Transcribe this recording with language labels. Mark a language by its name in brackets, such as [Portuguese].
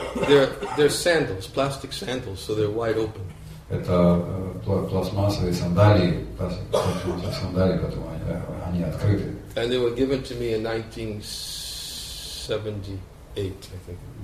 [English] They're sandals, plastic sandals, so they're wide open. [Russian] Это пластмассовые сандалии, пластмассовые сандалии, потому они открыты. [English] And they were given to me in 1978, I think.